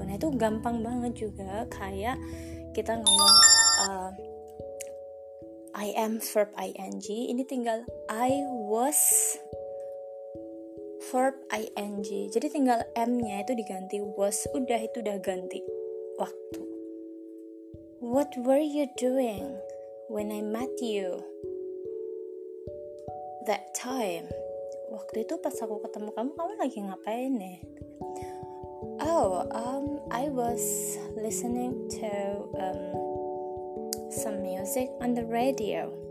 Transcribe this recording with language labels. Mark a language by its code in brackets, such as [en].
[id] Nah, itu gampang banget juga kayak kita ngomong [en] I am verb ing, [id] ini tinggal [en] I was verb ing. [id] Jadi tinggal M-nya itu diganti was, udah, itu udah ganti waktu. [en] What were you doing when I met you that time? [id] Waktu itu pas aku ketemu kamu, kamu lagi ngapain nih? [en] Oh, I was listening to some music on the radio.